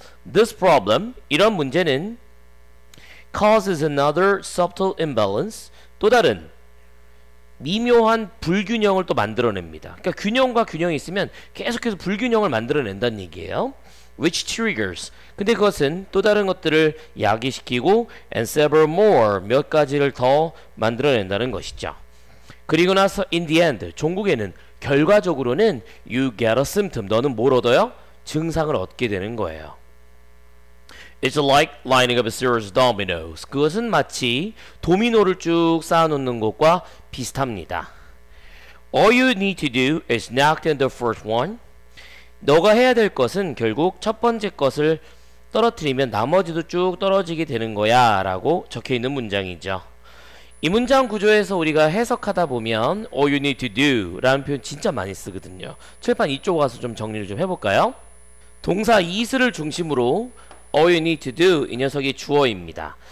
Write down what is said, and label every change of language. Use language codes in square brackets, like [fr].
[en] This problem, [ko] 이런 문제는 [en] causes another subtle imbalance, [ko] 또 다른 미묘한 불균형을 또 만들어냅니다. 그러니까 균형과 균형이 있으면 계속해서 불균형을 만들어낸다는 얘기예요. [en] Which triggers. [ko] 근데 그것은 또 다른 것들을 야기시키고 [en] and several more [ko] 몇 가지를 더 만들어낸다는 것이죠. 그리고 나서 [en] in the end [ko] 종국에는 결과적으로는 [en] you get a symptom. [ko] 너는 뭘 얻어요? 증상을 얻게 되는 거예요. [en] It's like lining up a series of dominoes. [ko] 그것은 마치 도미노를 쭉 쌓아놓는 것과 비슷합니다. [en] All you need to do is knock down the first one. [ko] 너가 해야 될 것은 결국 첫 번째 것을 떨어뜨리면 나머지도 쭉 떨어지게 되는 거야 라고 적혀 있는 문장이죠. 이 문장 구조에서 우리가 해석하다 보면 [en] All you need to do [ko] 라는 표현 진짜 많이 쓰거든요. 칠판 이쪽 와서 좀 정리를 좀 해볼까요? 동사 is를 중심으로 [en] All you need to do [ko] 이 녀석이 주어입니다.